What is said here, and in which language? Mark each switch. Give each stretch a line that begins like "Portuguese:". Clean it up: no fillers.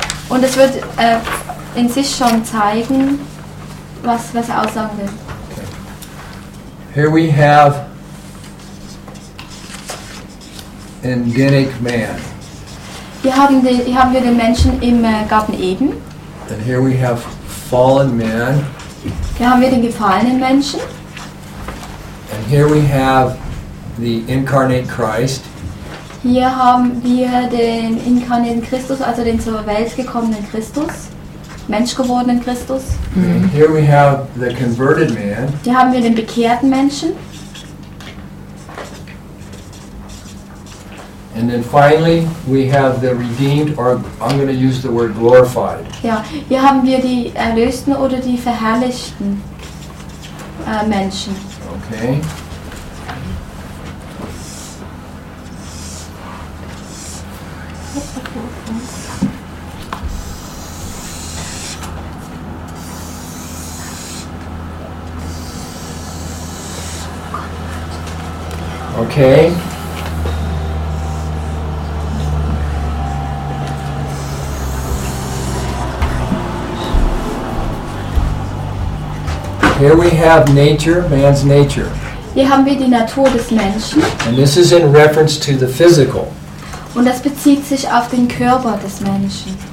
German: Und es wird in sich schon zeigen, was er aussagen will.
English: Okay. Here we have Edenic man.
German: Hier haben wir den Menschen im Garten Eden.
English: And here we have fallen man.
German: Hier haben wir den gefallenen Menschen.
English: And here we have the incarnate Christ.
German: Hier haben wir den inkarnierten Christus, also den zur Welt gekommenen Christus, Mensch gewordenen Christus.
English: And here we have the converted man.
German: Hier haben wir den bekehrten Menschen.
English: And then finally we have the redeemed, or I'm going to use the word glorified.
German: Ja, hier haben wir die Erlösten oder die verherrlichten Menschen.
English: Okay. Okay. Here we have nature, man's nature.
German: Hier haben wir die Natur des Menschen.
English: And this is in reference to the physical.
German: Und das bezieht sich auf den Körper des Menschen.